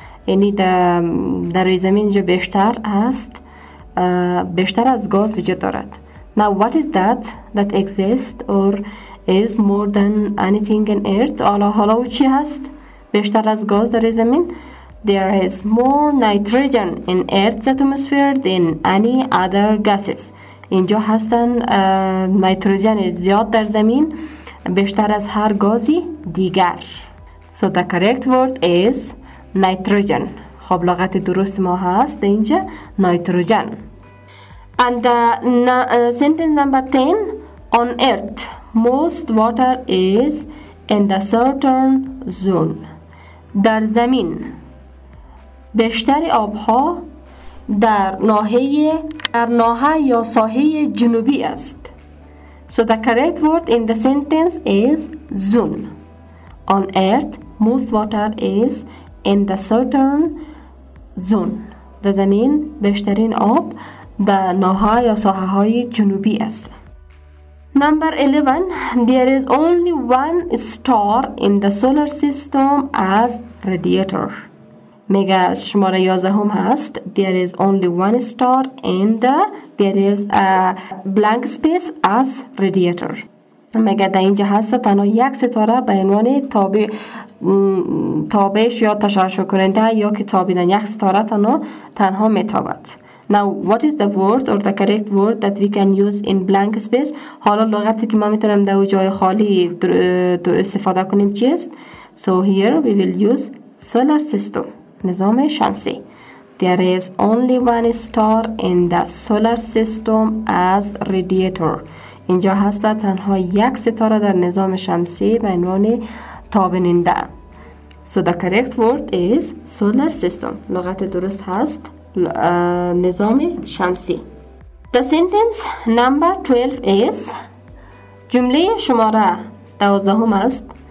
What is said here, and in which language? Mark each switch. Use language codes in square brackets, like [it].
[fa] یعنی در زمین جو بیشتر است بیشتر از گاز وجود دارد. [en] Now what is that that exists or is more than anything in Earth? [fa] حالا چی هست بیشتر از گاز در زمین؟ [en] There is more nitrogen in Earth's atmosphere than any other gases. [fa] اینجا هستن نیتروژن زیاد در زمین بیشتر از هر گازی دیگر. [en] So the correct word is nitrogen. [fa] خب لغت درست ما هست اینجا نیتروژن. [en] And sentence number 10. On Earth, most water is in the southern zone. [fa] در زمین بیشتر آبها در ناحیه یا ساحه جنوبی است. [en] So the correct word in the sentence is zone. On Earth, most water is in the southern zone. [fa] در زمین بیشترین آب در ناحیه یا ساحه های جنوبی است. [en] Number 11. There is only one star in the solar system as radiator. [fa] میگه شماره 11 هم هست. [en] There is only one star in the there is a blank space as radiator. [fa] میگه در اینجا هست تنها یک ستاره به عنوان تابش یا تشعشع کننده یا که تابیدن یک ستاره تنها میتابد. [en] Now what is the word or the correct word that we can use in blank space? [fa] حالا لغتی که ما میتونم در جای خالی استفاده کنیم چیست؟ [en] So here we will use solar system. [fa] نظام شمسی. [en] There is only one star in the solar system as radiator. [fa] اینجا هست تنها یک ستاره در نظام شمسی به عنوان تابننده. [en] So the correct word is solar system. [fa] لغت درست هست نظام شمسی. [en] The sentence number 12 is [fa] جمله شماره 12 است.